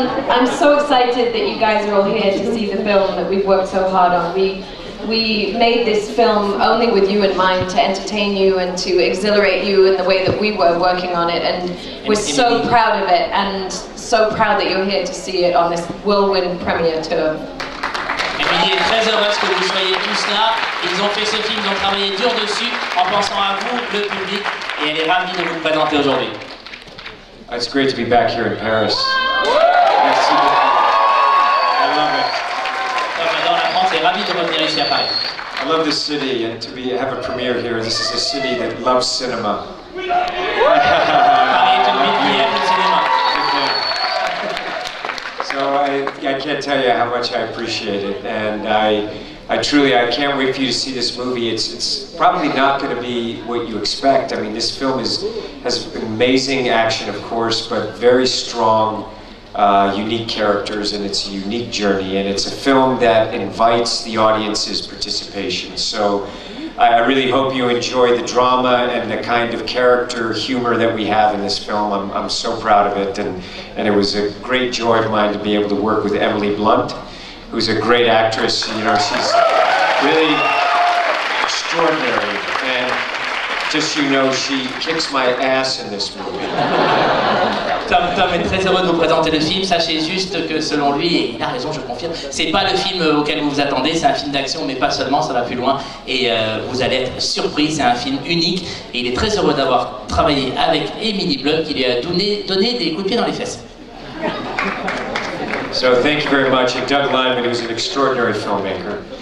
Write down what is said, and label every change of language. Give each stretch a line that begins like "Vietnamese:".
English: I'm so excited that you guys are all here to see the film that we've worked so hard on. We made this film only with you in mind to entertain you and to exhilarate you in the way that we were working on it. And we're so proud of it and so proud that you're here to see it on this whirlwind premiere tour.
French: Emily est très heureuse que vous soyez tous là. Ils ont fait ce film, ils ont travaillé dur dessus en pensant à vous, le public, et elle est ravie de vous présenter aujourd'hui.
English: It's great to be back here in Paris.
French: Merci beaucoup.
English: I love it.
French: Comme dans la France, elle est ravie de revenir ici à Paris.
English: I love this city and to be have a premiere here. This is a city that loves cinema.
French: Paris est une ville qui aime le cinéma.
English: So I can't tell you how much I appreciate it, and I truly can't wait for you to see this movie. It's probably not going to be what you expect. I mean, this film has amazing action, of course, but very strong, unique characters, and it's a unique journey, and it's a film that invites the audience's participation. So I really hope you enjoy the drama and the kind of character humor that we have in this film. I'm so proud of it, and it was a great joy of mine to be able to work with Emily Blunt, who's a great actress. You know, she's really extraordinary, and just so you know, she kicks my ass in this movie.
French: Tom est très heureux de vous présenter le film. Sachez juste que selon lui, et il a raison, je confirme, c'est pas le film auquel vous vous attendez, c'est un film d'action, mais pas seulement, ça va plus loin. Et vous allez être surpris, c'est un film unique. Et il est très heureux d'avoir travaillé avec Emily Blunt, qui lui a donné des coups de pied dans les fesses.
English: So thank you very much. And Doug Liman, he was an extraordinary filmmaker.